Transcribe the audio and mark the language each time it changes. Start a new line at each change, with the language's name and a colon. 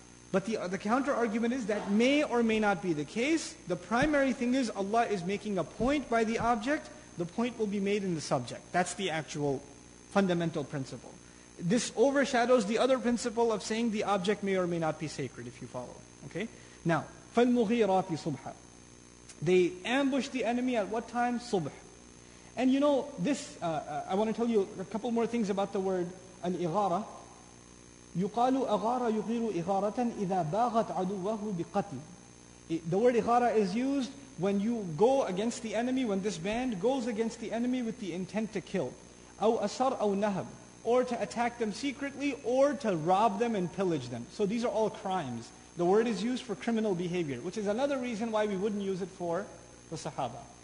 English: But the counter-argument is that may or may not be the case. The primary thing is Allah is making a point by the object. The point will be made in the subject. That's the actual fundamental principle. This overshadows the other principle of saying the object may or may not be sacred, if you follow. Okay?
Arabic: Now, فَالْمُغِيرَاتِ صُبْحًا.
English: They ambush the enemy at what time? Subh. And you know, this, I want to tell you a couple more things about the word al-ighara.
Arabic: يُقَالُ أَغَارَ يُغِيرُ إِغَارَةً إِذَا بَاغَتْ عَدُوَّهُ بِقَتْلٍ.
English: The word ighara is used when you go against the enemy, when this band goes against the enemy with the intent to kill.
Arabic: أَوْ أَسَرْ أَوْ نَهَبْ.
English: Or to attack them secretly, or to rob them and pillage them. So these are all crimes. The word is used for criminal behavior, which is another reason why we wouldn't use it for the Sahaba.